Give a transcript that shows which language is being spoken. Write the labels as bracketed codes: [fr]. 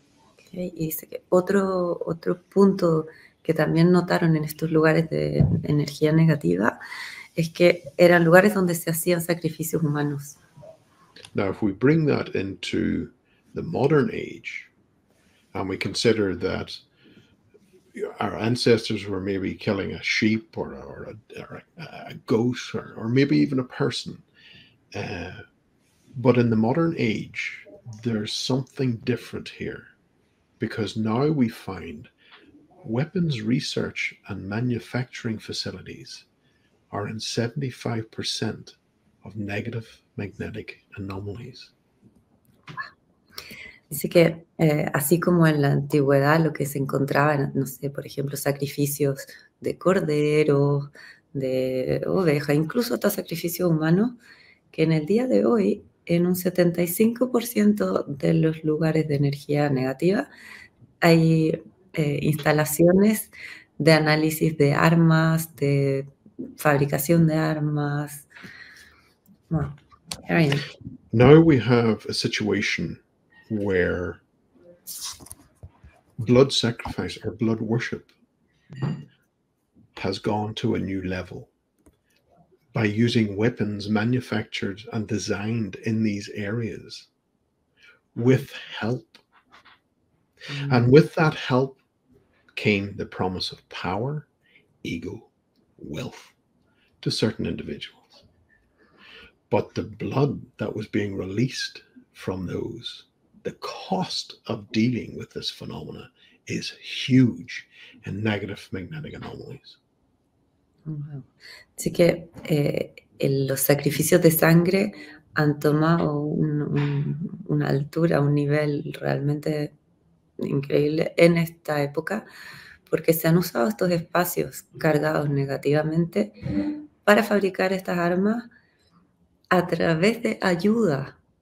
[es] Okay, y dice que otro punto que también notaron en estos lugares de energía negativa es que eran lugares donde se hacían sacrificios humanos. [en] Now, if we bring that into the modern age, and we consider that our ancestors were maybe killing a sheep or a goat or maybe even a person. But in the modern age, there's something different here, because now we find weapons research and manufacturing facilities are in 75% of negative magnetic anomalies. [es] Dice que así como en la antigüedad lo que se encontraba, no sé, por ejemplo, sacrificios de corderos, de oveja, incluso hasta sacrificio humano, que en el día de hoy, en un 75% de los lugares de energía negativa, hay instalaciones de análisis de armas, de fabricación de armas. Bueno, [en] Now we have a situation where blood sacrifice or blood worship has gone to a new level by using weapons manufactured and designed in these areas with help. And with that help came the promise of power, ego, wealth to certain individuals. But the blood that was being released from those, the cost of dealing with this phenomena is huge in negative magnetic anomalies. [es] Así que los sacrificios de sangre han tomado una altura, un nivel realmente increíble en esta época, porque se han usado estos espacios cargados negativamente para fabricar estas armas a través de ayuda.